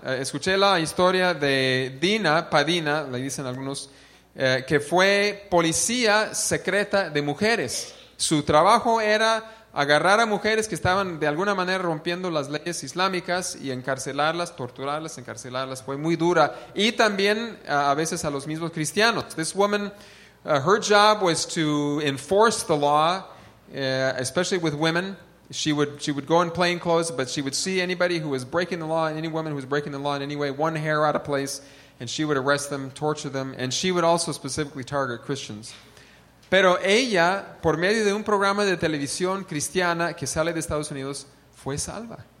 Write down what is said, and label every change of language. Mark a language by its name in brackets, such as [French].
[Spanish] Escuché la historia de Dina, Padina, le dicen algunos, que fue policía secreta de mujeres. Su trabajo era agarrar a mujeres que estaban de alguna manera rompiendo las leyes islámicas y encarcelarlas, torturarlas, encarcelarlas. Fue muy dura. Y también a veces a los mismos cristianos. [English] This woman, her job was to enforce the law, especially with women. She would go in plain clothes, but she would see anybody who was breaking the law, any woman who was breaking the law in any way, one hair out of place, and she would arrest them, torture them, and she would also specifically target Christians. [Spanish] Pero ella, por medio de un programa de televisión cristiana que sale de Estados Unidos, fue salva.